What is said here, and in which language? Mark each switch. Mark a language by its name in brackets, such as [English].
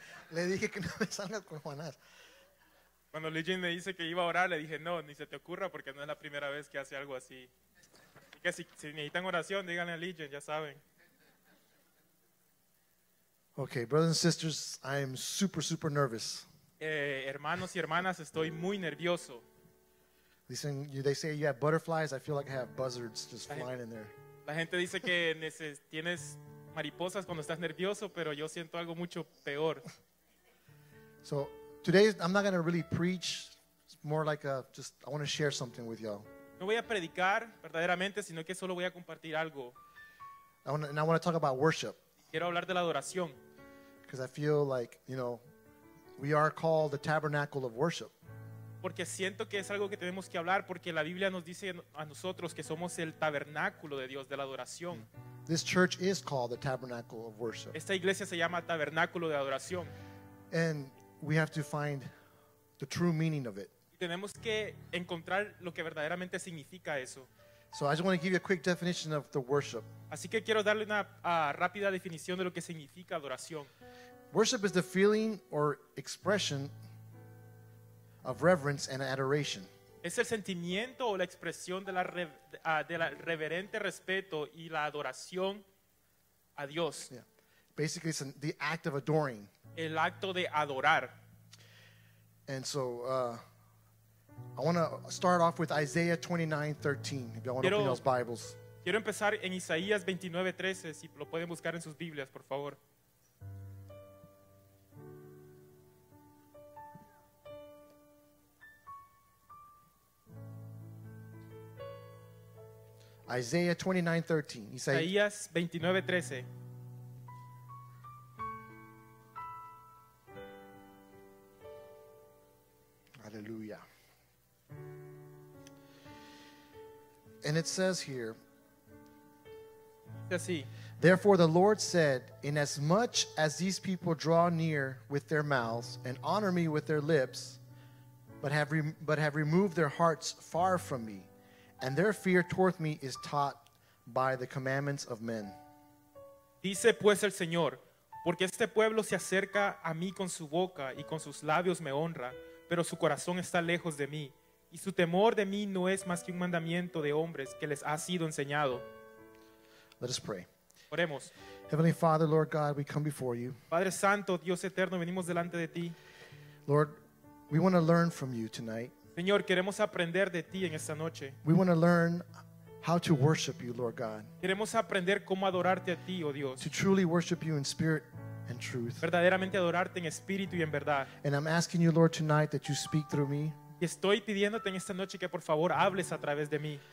[Spanish] Le dije que no me salgas con Jonás. Cuando Lijin me dice que iba a orar, le dije, no, ni se te ocurra porque no es la primera vez que hace algo así. Y que si necesitan oración, díganle a Lijin, ya saben. [English] Okay, brothers and sisters, I am super, super nervous. [Spanish] Hermanos y hermanas, estoy muy nervioso. [English] Listen, they say you have butterflies. I feel like I have buzzards just flying in there. [Spanish] La gente dice que tienes mariposas cuando estás nervioso, pero yo siento algo mucho peor. [English] So today I'm not going to really preach. It's more like I want to share something with y'all. [Spanish] No voy a predicar verdaderamente, sino que solo voy a compartir algo. [English] I want to talk about worship. [Spanish] Quiero hablar de la adoración. [English] Because I feel like, you know, we are called the tabernacle of worship. [Spanish] Porque siento que es algo que tenemos que hablar porque la Biblia nos dice a nosotros que somos el tabernáculo de Dios, de la adoración. [English] This church is called the tabernacle of worship. [Spanish] Esta iglesia se llama tabernáculo de adoración. [English] And we have to find the true meaning of it. [Spanish] Tenemos que encontrar lo que verdaderamente significa eso. [English] So I just want to give you a quick definition of the worship. [Spanish] Así que quiero darle una rápida definición de lo que significa adoración. [English] Worship is the feeling or expression of reverence and adoration. [Spanish] Es el sentimiento o la expresión de la reverente respeto y la adoración a Dios. [English] Yeah. Basically, it's the act of adoring. [Spanish] El acto de adorar. [English] And so, I want to start off with Isaiah 29:13. If y'all want to open those Bibles. [Spanish] Quiero empezar en Isaías 29:13. Si lo pueden buscar en sus Biblias, por favor. [English] Isaiah 29:13. [Spanish] Isaías 29:13. [English] And it says here, [Spanish] así. [English] Therefore the Lord said, inasmuch as these people draw near with their mouths and honor me with their lips, but have removed their hearts far from me, and their fear toward me is taught by the commandments of men. [Spanish] Dice pues el Señor, porque este pueblo se acerca a mí con su boca y con sus labios me honra, pero su corazón está lejos de mí, y su temor de mí no es más que un mandamiento de hombres que les ha sido enseñado. [English] Let us pray. [Spanish] Oremos. [English] Heavenly Father, Lord God, we come before you. [Spanish] Padre Santo, Dios Eterno, venimos delante de ti. [English] Lord, we want to learn from you tonight. [Spanish] Señor, queremos aprender de ti en esta noche. [English] We want to learn how to worship you, Lord God. [Spanish] Queremos aprender cómo adorarte a ti, oh Dios. [English] To truly worship you in spirit and truth. [Spanish] Verdaderamente adorarte en espíritu y en verdad. [English] And I'm asking you, Lord, tonight that you speak through me. [Spanish] Y estoy pidiéndote en esta noche que por favor hables a través de mí.